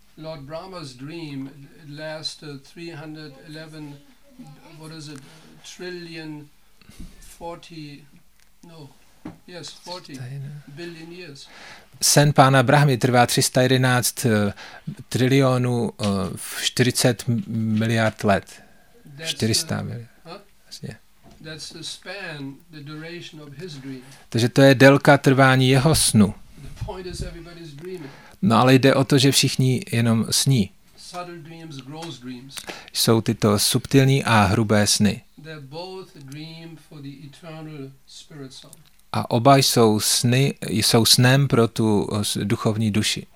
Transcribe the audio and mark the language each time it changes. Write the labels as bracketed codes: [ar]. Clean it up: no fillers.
[en] Lord Brahma's dream lasts 311, what is it, trillion, 40, no, Yes, 40 billion years. [cs] Sen pána Brahmy trvá 311 trilionů 40 miliard let. [en] That's [cs] 400 miliard. [en] That's the span, the duration of his dream. [cs] Takže to je délka trvání jeho snu. [en] The point is everybody's dreaming. [cs] No ale jde o to, že všichni jenom sní. [en] Subtle dreams, gross dreams. [cs] Jsou tyto subtilní a hrubé sny. [en] They're both dream for the eternal spirit soul. [cs] A oba jsou sny, jsou snem pro tu duchovní duši.